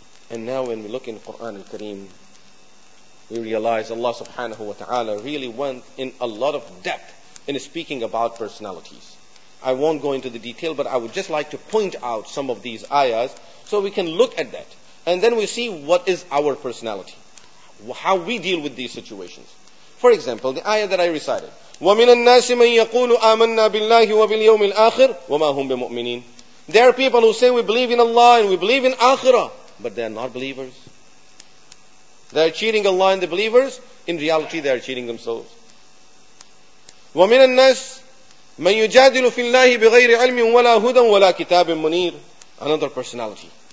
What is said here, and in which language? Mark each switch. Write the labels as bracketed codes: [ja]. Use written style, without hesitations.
[en] And now when we look in Quran al-Kareem, we realize Allah subhanahu wa ta'ala really went in a lot of depth in speaking about personalities. I won't go into the detail, but I would just like to point out some of these ayahs so we can look at that. And then we see what is our personality, how we deal with these situations. For example, the ayah that I recited, [ar] وَمِنَ النَّاسِ مَنْ يَقُولُ آمَنَّا بِاللَّهِ وَبِالْيَوْمِ الْآخِرِ وَمَا هُمْ بِمُؤْمِنِينَ. [en] There are people who say we believe in Allah and we believe in Akhirah, but they are not believers. They are cheating Allah and the believers. In reality, they are cheating themselves. [ar] وَمِنَ النَّاسِ مَنْ يُجَادِلُ فِي اللَّهِ بِغَيْرِ عَلْمٍ وَلَا هُدًى وَلَا كِتَابٍ مُنِيرٍ. [en] Another personality.